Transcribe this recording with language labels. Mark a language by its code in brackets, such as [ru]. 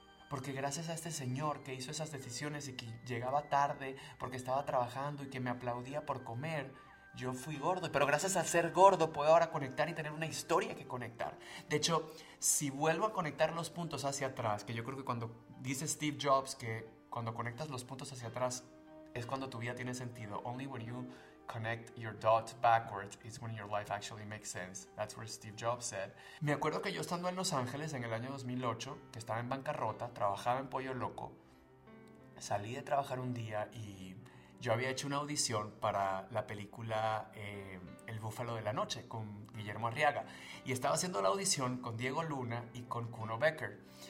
[es] Porque gracias a este señor que hizo esas decisiones y que llegaba tarde porque estaba trabajando y que me aplaudía por comer, yo fui gordo. Pero gracias a ser gordo puedo ahora conectar y tener una historia que conectar. De hecho, si vuelvo a conectar los puntos hacia atrás, que yo creo que cuando dice Steve Jobs que cuando conectas los puntos hacia atrás es cuando tu vida tiene sentido. [en] Only when you connect your dots backwards is when your life actually makes sense. That's what Steve Jobs said. [es] Me acuerdo que yo estando en Los Ángeles en el año 2008, que estaba en bancarrota, trabajaba en Pollo Loco, salí de trabajar un día y yo había hecho una audición para la película El Búfalo de la Noche con Guillermo Arriaga. Y estaba haciendo la audición con Diego Luna y con Kuno Becker.